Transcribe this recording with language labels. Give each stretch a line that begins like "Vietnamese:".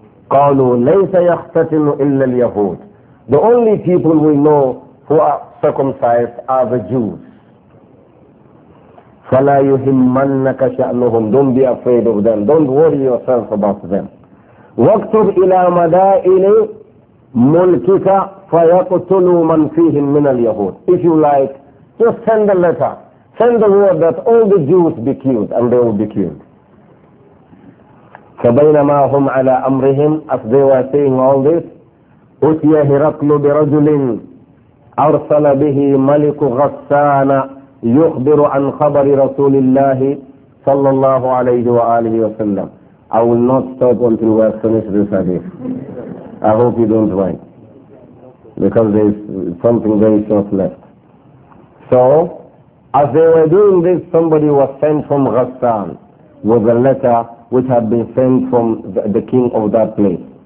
Arabic: قَالُوا لَيْسَ يَحْتَتِنُ إِلَّا الْيَهُودِ
English: The only people we know who are circumcised are the Jews.
Arabic: فلا يهمنك شأنهم.
English: Don't be afraid of them. Don't worry yourself about them.
Arabic: واكتب إلى مدائن ملكك فيقتلوا من فيهم من اليهود.
English: If you like, just send a letter. Send the word that all the Jews be killed, and they will be killed.
Arabic: فبينما هم على أمرهم,
English: as they were saying all this,
Arabic: أتي هرقل برجل أرسل به ملك غسان يخبر عن خبر رسول الله صلى الله عليه وآله وسلم.
English: I will not stop until we have finished this hadith. I hope you don't mind, because there is something very short left. So, as they were doing this, somebody was sent from Ghassan with a letter which had been sent from the king of that place.